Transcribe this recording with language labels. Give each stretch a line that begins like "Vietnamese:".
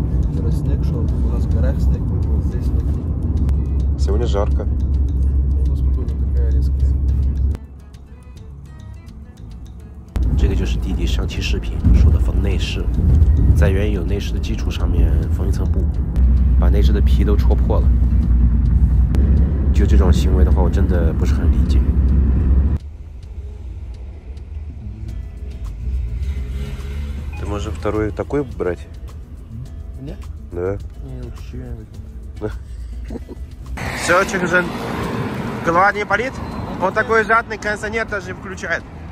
Russian: Вчера снег шел, у нас в горах снег был, здесь снег. Сегодня жарко. Ну, спокойно, какая резкая.
Chinese: 这个就是弟弟上期视频说的缝内饰，在原有内饰的基础上面缝一层布。把内饰的皮都戳破了，就这种行为的话，我真的不是很理解。
Russian: ты можешь второй такой брать? мне? да. не лучше. все, чего же голова не болит? он такой жадный, кондиционер даже включает.